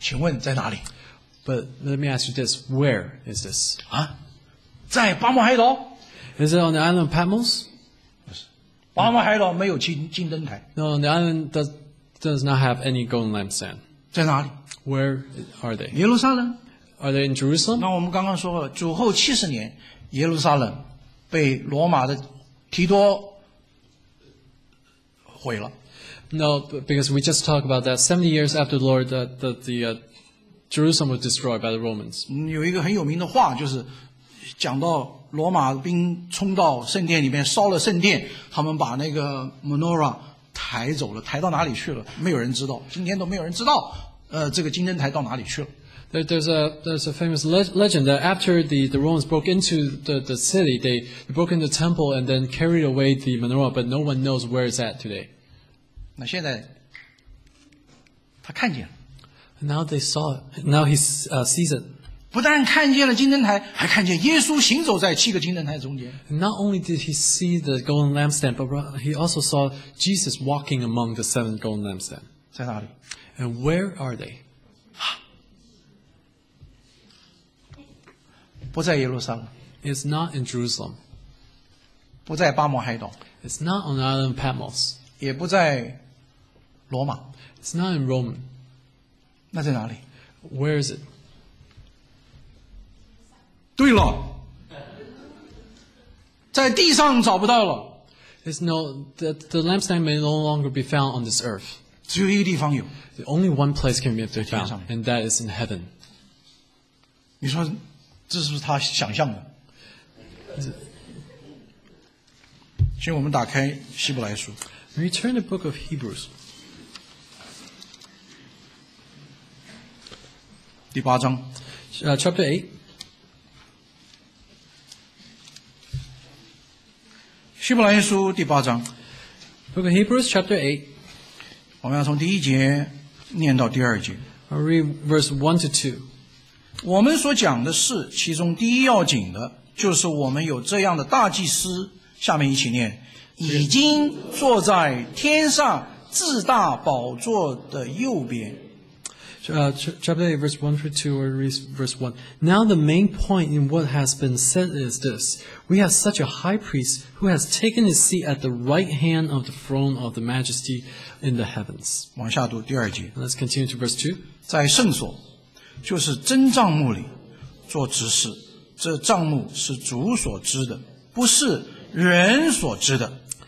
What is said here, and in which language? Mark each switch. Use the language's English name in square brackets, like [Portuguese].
[Chinese] 请问在哪里？ [English] But let me ask you this, where is this? [Chinese] 啊？在巴摩海岛。 [English] Is it on the island of Patmos? [Chinese] 不是。巴摩海岛没有金灯台。 [English] No, the island does not have any golden lampstand. [Chinese] 在哪里？ [English] Where are they? [Chinese] 耶路撒冷。 [English] Are they in Jerusalem? [Chinese] 那我们刚刚说了，主后七十年，耶路撒冷被罗马的提多 [English] No, because we just talked about that 70 years after the Lord that Jerusalem was destroyed by the Romans. [Chinese] 有一个很有名的话就是讲到罗马兵冲到圣殿里面烧了圣殿他们把那个 menorah 抬走了抬到哪里去了没有人知道今天都没有人知道这个金灯台到哪里去了 [English] There's a famous legend that after the Romans broke into the city they broke into the temple and then carried away the menorah but no one knows where it's at today. [Chinese] 那现在他看见了。 [English] Now they saw it. Now he's sees it. [Chinese] 不但看见了金灯台，还看见耶稣行走在七个金灯台中间。 [English] Not only did he see the golden lampstand, but he also saw Jesus walking among the seven golden lampstands. [Chinese] 在哪里 [English] ？And where are they？ [Chinese] 不在耶路撒冷。 [English] It's not in Jerusalem. [Chinese] 不在巴摩海岛。 [English] It's not on the island of Patmos. [Chinese] 也不在罗马。 [English] It's not in Rome. [Chinese] 那在哪里 [English] ？Where is it？ [Chinese] 对了，在地上找不到了。 [English] It's no the lampstand may no longer be found on this earth. [Chinese] 只有一个地方有。 [English] The only one place can be found, and that is in heaven. [Chinese] 你说这是不是他想象的？请我们打开希伯来书。 [English] Return the book of Hebrews. [Chinese] 第八章 [English] Chapter 8. [Chinese] 希伯来书第八章 [English] Book of Hebrews, Chapter 8. [Chinese] 我们要从第一节念到第二节 [English] I'll read verse 1 to 2. [Chinese] 我们所讲的是其中第一要紧的就是我们有这样的大祭司下面一起念已经坐在天上至大宝座的右边。 [English] Chapter 8, verse 1 through 2, verse 1. Now the main point in what has been said is this. We have such a high priest who has taken his seat at the right hand of the throne of the majesty in the heavens. [Chinese] 往下读第二节。 [English] Let's continue to verse 2. [Chinese] 在圣所就是真帐幕里做执事，这帐幕是主所知的，不是人所知的。